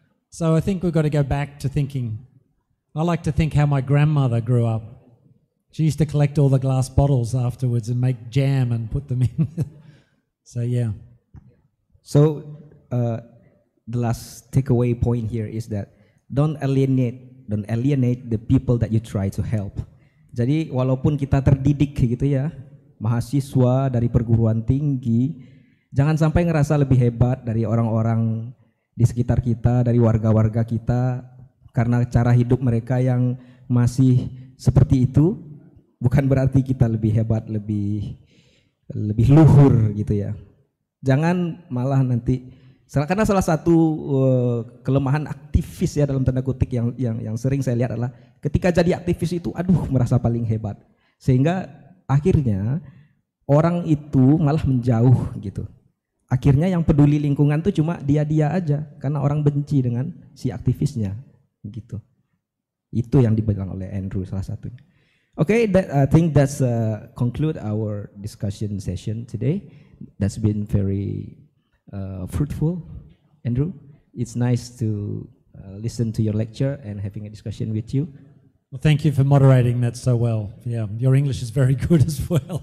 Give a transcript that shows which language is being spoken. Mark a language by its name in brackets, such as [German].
[English] So I think we've got to go back to thinking. I like to think how my grandmother grew up. She used to collect all the glass bottles afterwards and make jam and put them in. So yeah. So the last takeaway point here is that don't alienate the people that you try to help. [Indonesian] Jadi walaupun kita terdidik gitu ya, mahasiswa dari perguruan tinggi, jangan sampai ngerasa lebih hebat dari orang-orang di sekitar kita, dari warga-warga kita, karena cara hidup mereka yang masih seperti itu, bukan berarti kita lebih hebat, lebih luhur gitu ya. Jangan malah nanti, karena salah satu kelemahan aktivis ya dalam tanda kutip yang sering saya lihat adalah ketika jadi aktivis itu, aduh, merasa paling hebat. Sehingga akhirnya orang itu malah menjauh gitu. Akhirnya yang peduli lingkungan itu cuma dia-dia aja, karena orang benci dengan si aktivisnya gitu. Itu yang dibilang oleh Andrew salah satunya. [English] Okay, I think that's conclude our discussion session today. That's been very fruitful, Andrew. It's nice to listen to your lecture and having a discussion with you. Well, thank you for moderating that so well. Yeah, your English is very good as well.